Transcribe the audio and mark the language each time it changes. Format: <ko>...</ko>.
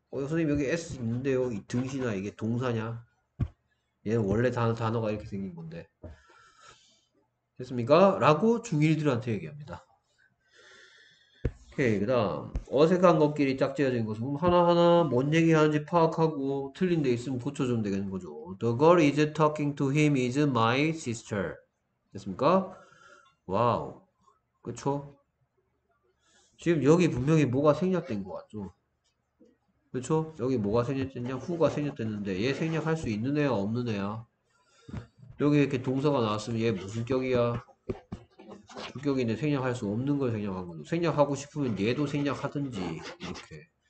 <ko>선생님 여기 s 있는데요. 이 등신아 이게 동사냐? 얘는 원래 단어가 이렇게 생긴 건데. 됐습니까? 라고 중1들한테 얘기합니다. 오케이, 그다음 어색한 것끼리 짝지어진 것은 하나하나 뭔 얘기하는지 파악하고 틀린 데 있으면 고쳐주면 되는 거죠.</ko> <en>The girl is talking to him is my sister.</en> <ko>됐습니까? 와우, 그쵸? 지금 여기 분명히 뭐가 생략된 것 같죠? 그쵸? 여기 뭐가 생략됐냐? who가 생략됐는데 얘 생략할 수 있는 애야 없는 애야? 여기 이렇게 동사가 나왔으면 얘 무슨 격이야? 주격인데 생략할 수 없는 걸 생략한 거죠. 생략하고 싶으면 얘도 생략하든지 이렇게.</ko>